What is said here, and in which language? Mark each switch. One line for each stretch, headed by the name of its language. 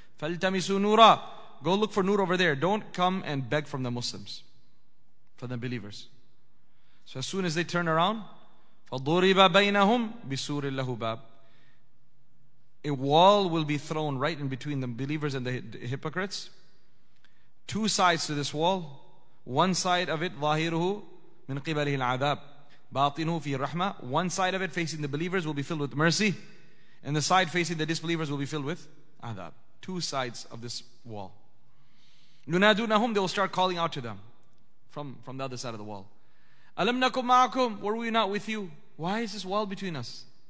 Arabic: Faltamisu nura,
English: go look for nur over there. Don't come and beg from the Muslims, from the believers. So as soon as they turn around,
Arabic: فَضُرِبَ بَيْنَهُمْ بِسُورٍ لَهُ بَابٍ,
English: a wall will be thrown right in between the believers and the hypocrites. Two sides to this wall. One side of it,
Arabic: ظَاهِرُهُ مِنْ قِبَلِهِ الْعَذَابِ بَاطِنُهُ فِي رَحْمَةٍ.
English: One side of it facing the believers will be filled with mercy, and the side facing the disbelievers will be filled with adab. Two sides of this wall.
Arabic: يُنَادُونَهُمْ,
English: they will start calling out to them from the other side of the wall.
Arabic: أَلَمْ نَكُمْ مَعَكُمْ,
English: were we not with you? Why is this wall between us?